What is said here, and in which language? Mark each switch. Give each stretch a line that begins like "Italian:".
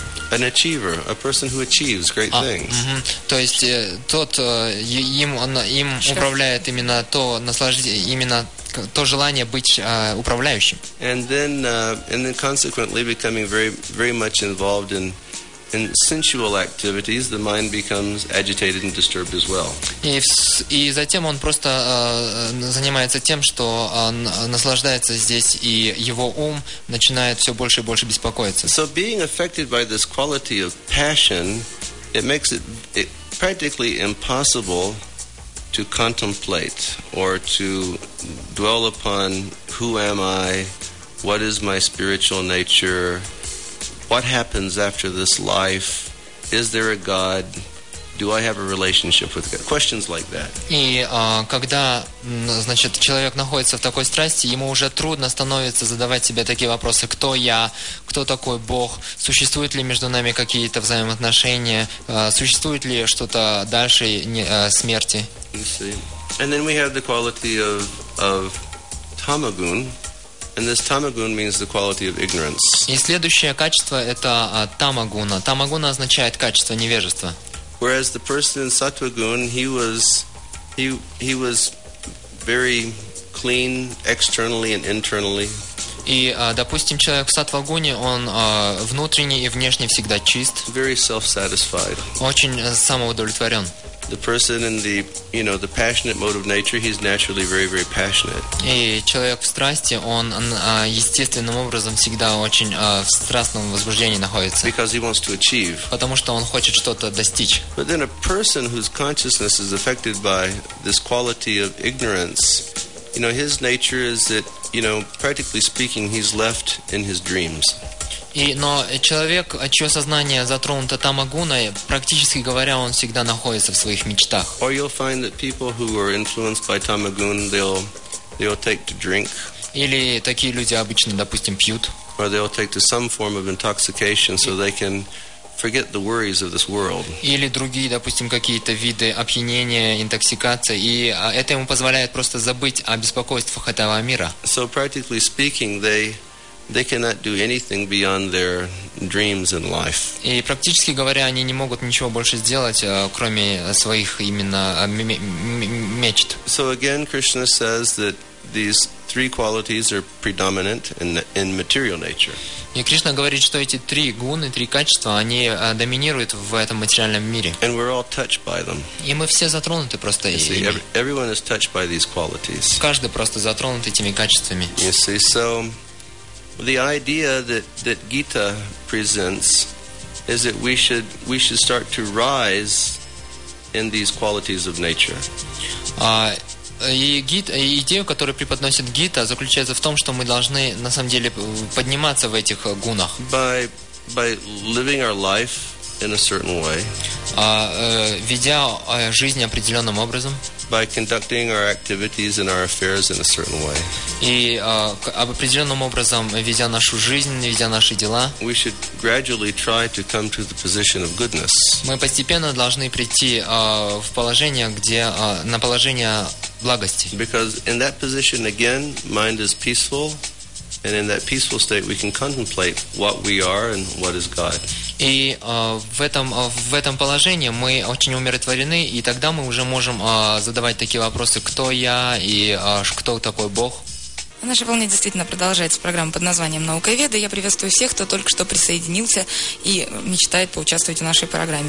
English: An achiever, a person who achieves great things. Mm-hmm.
Russian: То есть тот им управляет именно то наслаждение, именно то желание быть управляющим.
English: And then consequently becoming very, very much involved in sensual activities, the mind becomes agitated and disturbed as well.
Russian: И затем он просто занимается тем, что он наслаждается здесь, и его ум начинает все больше и больше беспокоиться.
English: So being affected by this quality of passion, it makes it practically impossible to contemplate or to dwell upon who am I, what is my spiritual nature, what happens after this life? Is there a God? Do I have a relationship with God? Questions like that.
Russian: И когда, значит, человек находится в такой страсти, ему уже трудно становится задавать себе такие вопросы: кто я? Кто такой Бог? Существуют ли между нами какие-то взаимоотношения? Существует ли что-то дальше смерти?
English: You see. And then we have the quality of tamagun. And this tamaguna means the quality of ignorance.
Russian: И следующее качество это тамагуна. Тамагуна означает качество невежества.
English: Whereas the person in sattvaguna, he was very clean externally and internally.
Russian: И допустим, человек в сатвагуне, он внутренне и внешне всегда чист.
English: Very self-satisfied.
Russian: Очень самоудовлетворен.
English: the person in the, you know, the passionate mode of nature, he's naturally very, very passionate.
Russian: И человек в страсти, он естественным образом всегда очень в страстном возбуждении находится.
English: Because he wants to achieve.
Russian: Потому что он хочет что-то достичь.
English: But then a person whose consciousness is affected by this quality of ignorance, you know, his nature is that, you know, practically speaking, he's left in his dreams.
Russian: И, но человек, чье сознание затронуто тамагуной, практически говоря, он всегда находится в своих мечтах.
English: Or you'll find that people who are influenced by tamagun, they'll take to drink.
Russian: Или такие люди обычно, допустим, пьют.
English: Or they'll take to some form of intoxication so they can forget the worries of this world.
Russian: Или другие, допустим, какие-то виды опьянения, интоксикации, и это ему позволяет просто забыть о беспокойствах этого мира.
English: So practically speaking, they cannot do anything beyond their dreams in life.
Russian: И практически говоря, они не могут ничего больше сделать, кроме своих именно мечт.
English: So again, Krishna says that these three qualities are predominant in material nature.
Russian: И Кришна говорит, что эти три гуны, три качества, они доминируют в этом материальном мире.
English: And we're all touched by them.
Russian: И мы все затронуты просто ими.
English: Everyone is touched by these qualities.
Russian: Каждый просто затронут этими качествами.
English: You see, so the idea that Gita presents is that we should start to rise in these qualities of nature.
Russian: Идея, которую преподносит Гита, заключается в том, что мы должны на самом деле подниматься в этих гунах.
English: By living our life in a certain way.
Russian: Ведя жизнь определенным образом.
English: By conducting our activities and our affairs in a certain way.
Russian: И определенным образом ведя нашу жизнь, ведя наши дела.
English: We should gradually try to come to the position of goodness.
Russian: Мы постепенно должны прийти в положение, где на положение благости.
English: Because in that position again, mind is peaceful, and in that peaceful state we can contemplate what we are and what is God.
Russian: И в этом положении мы очень умиротворены, и тогда мы уже можем задавать такие вопросы: кто я и кто такой Бог. Наша волна действительно продолжается, программа под названием «Наука и веды». Я приветствую всех, кто только что присоединился и мечтает поучаствовать в нашей программе.